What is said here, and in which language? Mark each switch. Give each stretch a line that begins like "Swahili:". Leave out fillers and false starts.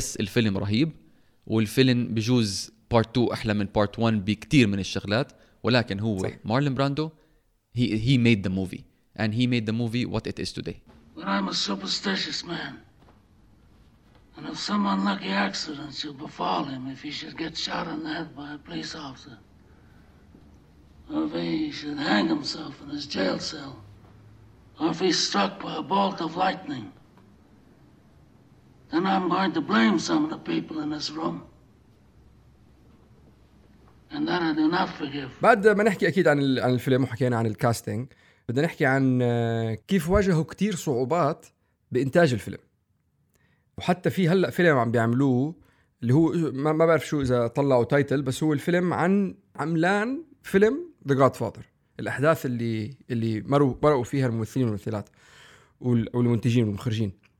Arabic: يس الفيلم رهيب، والفيلم بجوز بارت 2 احلى من بارت 1 بكتير من الشغلات، ولكن هو صح.
English: Marlon Brando he made the movie and he made the movie what it is today. But I'm a superstitious man, and if some unlucky accident should befall him, if he should get shot in the head by a police officer, or if he should hang himself in his jail cell, or if he's struck by a bolt of lightning, then I'm going to blame some of the people in this room. And that I do not forgive.
Arabic: بعد ما نحكي أكيد عن الفيلم وحكينا عن الكاستينج، بدنا نحكي عن كيف واجهوا كتير صعوبات بإنتاج الفيلم. وحتى في هلأ فيلم عم بيعملوه اللي هو ما بعرف شو إذا طلعوا تايتل، بس هو الفيلم عن عملان فيلم The Godfather، الأحداث اللي مروا فيها الممثلين والممثلات والمنتجين والمخرجين.